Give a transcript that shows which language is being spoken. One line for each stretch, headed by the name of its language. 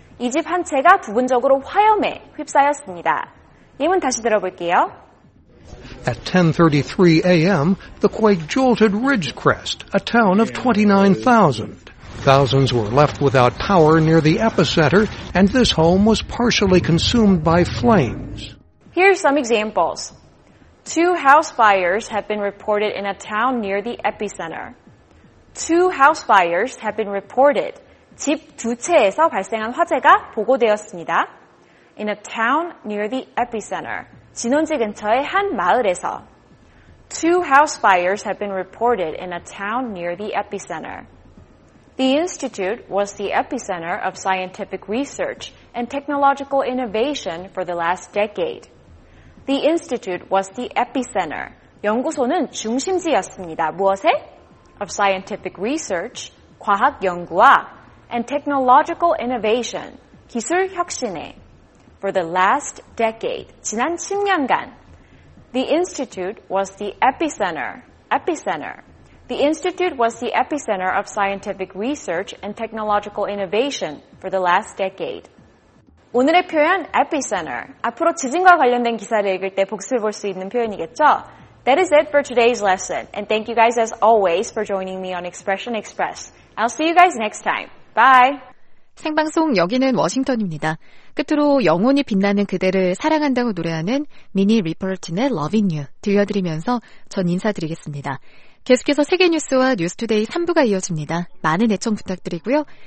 Korean: 이 집 한 채가 부분적으로 화염에 휩싸였습니다. 예문 다시 들어볼게요.
English: At 10:33 a.m., the quake jolted Ridgecrest, a town of 29,000. Thousands were left without power near the epicenter, and this home was partially consumed by flames. Here are some examples. Two house fires have been reported in a town near the epicenter. Two house fires have been reported.
Korean: 집 두 채에서 발생한 화재가 보고되었습니다.
English: In a town near the epicenter.
Korean: 진원지 근처의 한 마을에서.
English: Two house fires have been reported in a town near the epicenter. The institute was the epicenter of scientific research and technological innovation for the last decade. The institute was the epicenter.
Korean: 연구소는 중심지였습니다. 무엇에?
English: of scientific research,
Korean: 과학 연구와
English: and technological innovation,
Korean: 기술 혁신에
English: for the last decade,
Korean: 지난 10년간
English: The institute was the epicenter. Epicenter. The institute was the epicenter of scientific research and technological innovation for the last decade.
Korean: 오늘의 표현 epicenter. 앞으로 지진과 관련된 기사를 읽을 때 복습해볼 수 있는 표현이겠죠?
English: That is it for today's lesson. And thank you guys as always for joining me on Expression Express. I'll see you guys next time. Bye!
Korean: 생방송 여기는 워싱턴입니다. 끝으로 영혼이 빛나는 그대를 사랑한다고 노래하는 미니 리퍼틴의 Loving You 들려드리면서 전 인사드리겠습니다. 계속해서 세계뉴스와 뉴스투데이 3부가 이어집니다. 많은 애청 부탁드리고요.